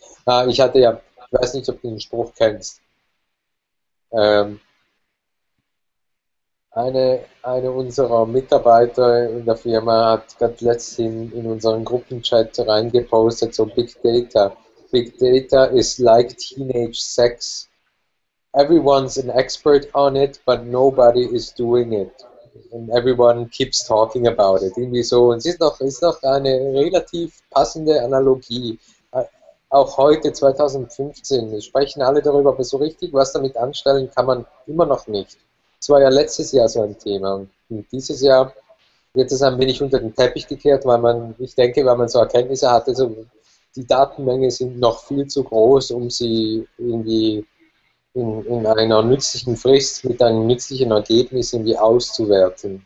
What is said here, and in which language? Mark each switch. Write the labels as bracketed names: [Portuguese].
[German] Ah, ich hatte ja, ich weiß nicht, ob du den Spruch kennst. Eine unserer Mitarbeiter in der Firma hat gerade letztens in unseren Gruppenchat reingepostet, so Big Data. [English] Big Data is like teenage sex. Everyone's an expert on it, but nobody is doing it. And everyone keeps talking about it. [German] Irgendwie so. Und es ist doch eine relativ passende Analogie. Auch heute, 2015, sprechen alle darüber, aber so richtig was damit anstellen kann man immer noch nicht. Es war ja letztes Jahr so ein Thema. Und dieses Jahr wird es ein wenig unter den Teppich gekehrt, weil man, ich denke, weil man so Erkenntnisse hatte, so, die Datenmenge sind noch viel zu groß, um sie irgendwie in einer nützlichen Frist mit einem nützlichen Ergebnis irgendwie auszuwerten.